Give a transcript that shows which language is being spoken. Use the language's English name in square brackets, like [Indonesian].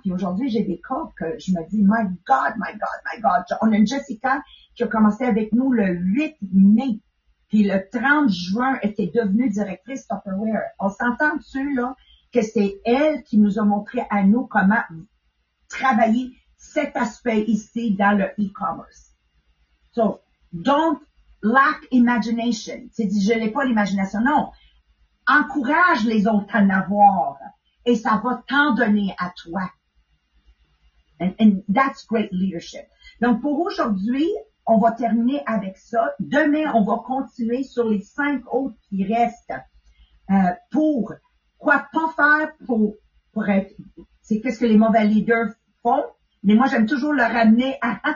[French] Puis aujourd'hui, j'ai des cas que je me dis, [English] my God. [French] On a une Jessica qui a commencé avec nous le 8 mai, puis le 30 juin, était devenue directrice Tupperware. On s'entend dessus, là? que c'est elle qui nous a montré à nous comment travailler cet aspect ici dans le e-commerce. [English] So, don't lack imagination. [French] C'est dit, je n'ai pas l'imagination. Non. Encourage les autres à en avoir. Et ça va t'en donner à toi. [English] And that's great leadership. [French] Donc, pour aujourd'hui, on va terminer avec ça. Demain, on va continuer sur les 5 autres qui restent pour quoi pas faire pour être... C'est qu'est-ce que les mauvais leaders font. Mais moi, j'aime toujours le ramener à...